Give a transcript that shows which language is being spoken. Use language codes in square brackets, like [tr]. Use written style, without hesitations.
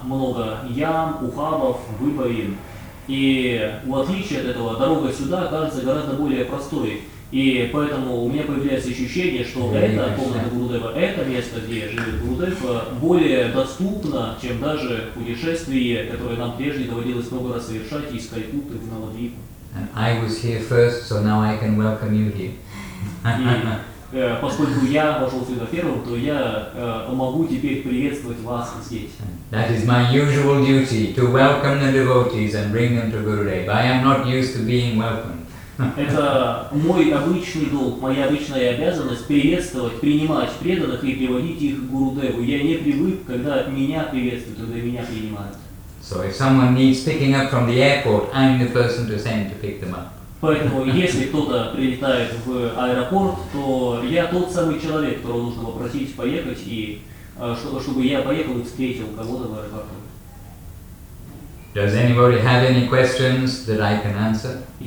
[ru] Много ям, ухабов, выбоин. И в отличие от этого, дорога сюда кажется гораздо более простой. И поэтому у меня появляется ощущение, что эта комната Гурудева, это место, где живет Гурудев, более доступно, чем даже путешествие, которое нам прежде доводилось много раз совершать из Калькутты в Навадвипу. [en] And I was here first, so now I can welcome you here. [ru] Поскольку я вошел сюда первым, то я могу теперь приветствовать вас здесь. [en] That is my usual duty, to welcome the devotees and bring them to Gurudev. I am not used to being welcomed. [ru] Это мой обычный долг, моя обычная обязанность приветствовать, принимать преданных и приводить их к Гурудеву. Я не привык, когда меня приветствуют, когда меня принимают. [en] So if someone needs picking up from the airport, I'm the person to send to pick them up. [ru] Поэтому если кто-то прилетает в аэропорт, то я тот самый человек, которого нужно попросить поехать и чтобы я поехал и встретил кого-то в аэропорту. [en] Does anybody have any questions that I can answer?